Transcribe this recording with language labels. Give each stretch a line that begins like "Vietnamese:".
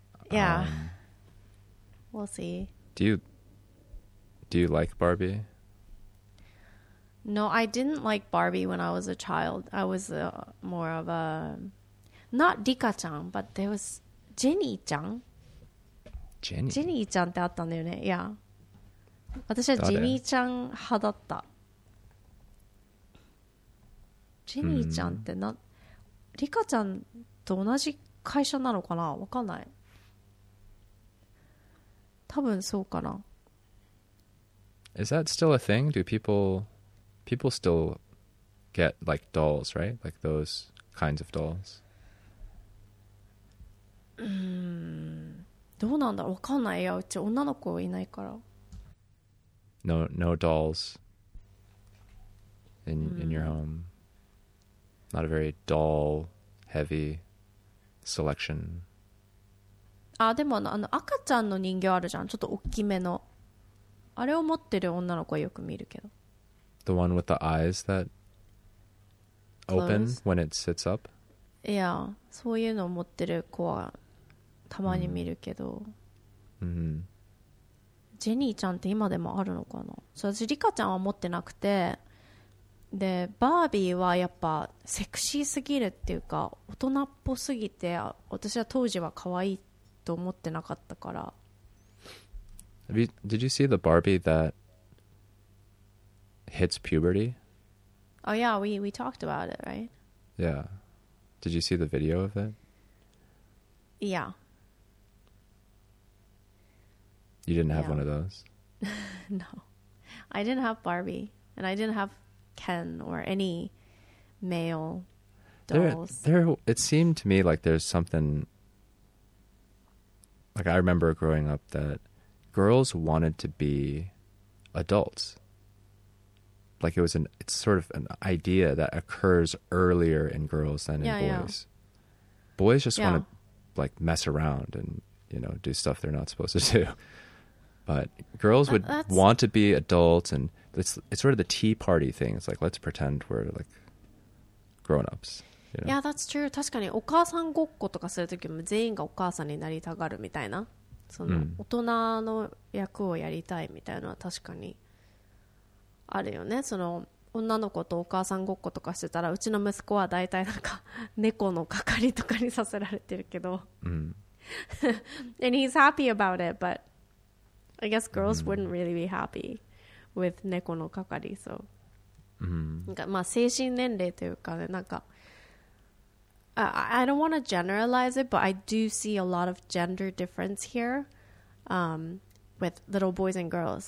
English: Yeah. We'll see. Do you like Barbie? No, I didn't like Barbie when I was a child. I was more of a... Not Rika-chan, but there was Jenny-chan. Jenny?
Japanese: Jenny-chan te atta nda yo ne, yeah. 私はジェニーちゃん派だった。ジェニーちゃんってな、リカちゃんと同じ会社なのかな、わかんない。多分そうかな。
English: Is that still a thing? Do people still get like dolls, right? Like those kinds of dolls?
Japanese: どうなんだ、わかんない。いや、うち女の子いないから。
English: No dolls in your home. Not a very doll heavy selection.
Japanese: あ、でもあの赤ちゃんの人形あるじゃん。ちょっと大きめの。あれを持ってる女の子はよく見るけど。
English: The one with the eyes that open when it sits up?
Japanese: Yeah, そういうのを持ってる子はたまに見るけど。 Mm-hmm. ジェニーちゃんって今でもあるのかな。そう、私リカちゃんは持ってなくて、でバービーはやっぱセクシーすぎるっていうか大人っぽすぎて、私は当時は可愛いと思ってなかったから。
English: Did you see the Barbie that hits puberty? Oh yeah, we talked about it, right? Yeah. Did you see the video of it? Yeah. You didn't have、yeah. one of those? No. I didn't have Barbie. And I didn't have Ken or any male dolls. There, it seemed to me like there's something... Like, I remember growing up that girls wanted to be adults. Like, it's sort of an idea that occurs earlier in girls than in boys. Yeah. Boys just want to, like, mess around and, you know, do stuff they're not supposed to do. But girls would want to be adults, and it's sort of the tea party thing. It's like, let's pretend we're like grown-ups. You know? Yeah, that's true.
Japanese: 確かにお母さんごっことかするときも全員がお母さんになりたがるみたいな。その大人の役をやりたいみたいなのは確かにあるよね。その女の子とお母さんごっことかしてたら、うちの息子は大体なんか猫の係とかにさせられてるけど。
English: And he's happy about it, but... I guess girls wouldn't really be happy with
Japanese: 猫の係、
English: so.
Japanese: なんかまあ精神年齢というかね、なんか
English: I don't want to generalize it, but I do see a lot of gender difference here, with little boys and girls.